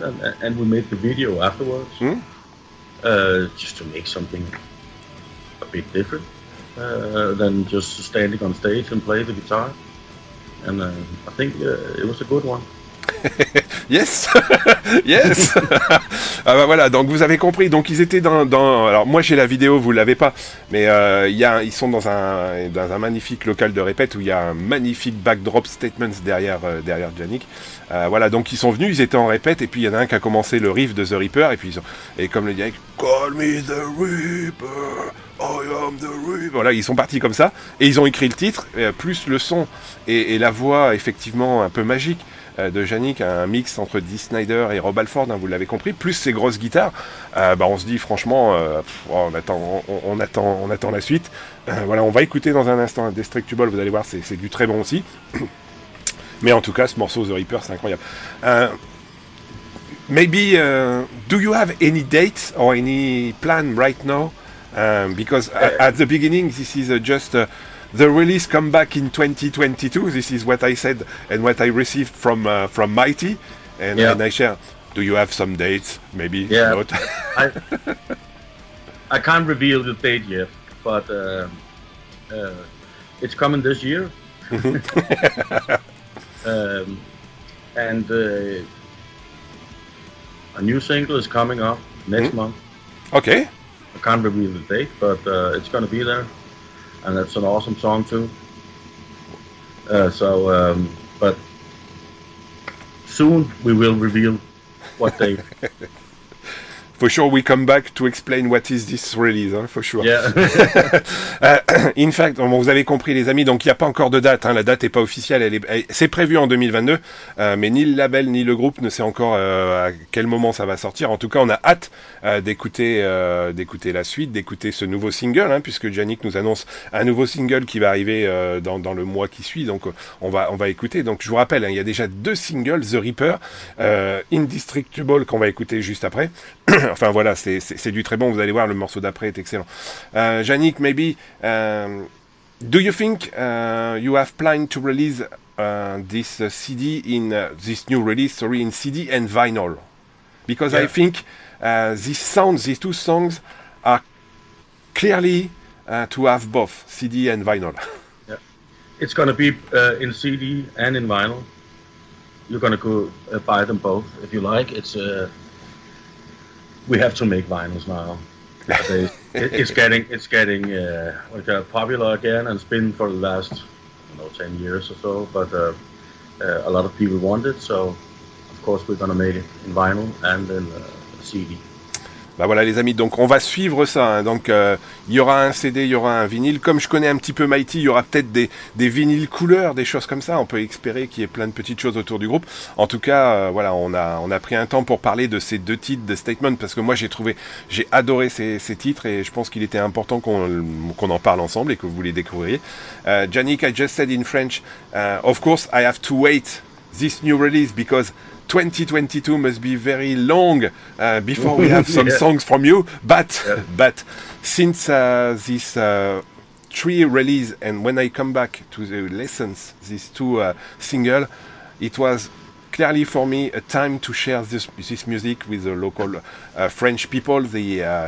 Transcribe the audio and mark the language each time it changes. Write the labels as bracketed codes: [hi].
[en] And we made the video afterwards, just to make something a bit different than just standing on stage and play the guitar. And I think it was a good one. Yes, yes. [fr] Ah bah voilà, donc vous avez compris. Donc ils étaient dans alors moi j'ai la vidéo, vous l'avez pas, mais ils sont dans un magnifique local de répète où il y a un magnifique backdrop statements derrière Janik. Voilà, donc ils sont venus, ils étaient en répète, et puis il y en a un qui a commencé le riff de The Reaper, et puis comme le dit avec, [en] Call me the Reaper, I am the Reaper. [fr] Voilà, ils sont partis comme ça, et ils ont écrit le titre, plus le son et la voix effectivement un peu magique de Janik, un mix entre Dee Snider et Rob Halford, hein, vous l'avez compris, plus ses grosses guitares, on se dit franchement, on attend la suite. Voilà, on va écouter dans un instant Destructible, vous allez voir, c'est du très bon aussi. Mais en tout cas, ce morceau The Reaper, c'est incroyable. [en] Do you have any dates or any plan right now? Because at the beginning, this is just the release come back in 2022. This is what I said and what I received from Mighty. And, yeah. And I share, do you have some dates? Maybe yeah. Not. I can't reveal the date yet, but it's coming this year. a new single is coming up next month. Okay. I can't reveal the date, but it's gonna be there, and that's an awesome song too. But soon we will reveal what date. For sure, we come back to explain what is this release, [fr] hein, [en] for sure. Yeah. In fact, [fr] bon, vous avez compris les amis, donc il n'y a pas encore de date, hein, la date n'est pas officielle, c'est prévu en 2022, mais ni le label ni le groupe ne sait encore à quel moment ça va sortir. En tout cas, on a hâte d'écouter la suite, d'écouter ce nouveau single, hein, puisque Janik nous annonce un nouveau single qui va arriver dans le mois qui suit, donc on va écouter. Donc je vous rappelle, hein, y a déjà deux singles, The Reaper, Indestructible, qu'on va écouter juste après. Enfin voilà, c'est du très bon, vous allez voir, le morceau d'après est excellent. [en] Janik, maybe, do you think you have planned to release this CD in this new release, sorry, in CD and vinyl? Because yeah. I think this sound, these two songs are clearly to have both CD and vinyl. Yeah. It's going to be in CD and in vinyl. You're going to go buy them both if you like. It's a We have to make vinyls now. It's getting popular again, and it's been for the last, I don't know, 10 years or so. But a lot of people want it, so of course we're gonna make it in vinyl and in CD. [fr] Bah voilà les amis, donc on va suivre ça, hein. Donc il y aura un CD, il y aura un vinyle, comme je connais un petit peu Mighty, il y aura peut-être des vinyles couleurs, des choses comme ça, on peut espérer qu'il y ait plein de petites choses autour du groupe. En tout cas, voilà, on a pris un temps pour parler de ces deux titres de Statement, parce que moi j'ai adoré ces titres, et je pense qu'il était important qu'on en parle ensemble et que vous les découvriez. [en] Janik, I just said in French, of course I have to wait this new release, because 2022 must be very long before we have some songs from you, but since this three release, and when I come back to the lessons, these two single, it was clearly for me a time to share this music with the local French people, the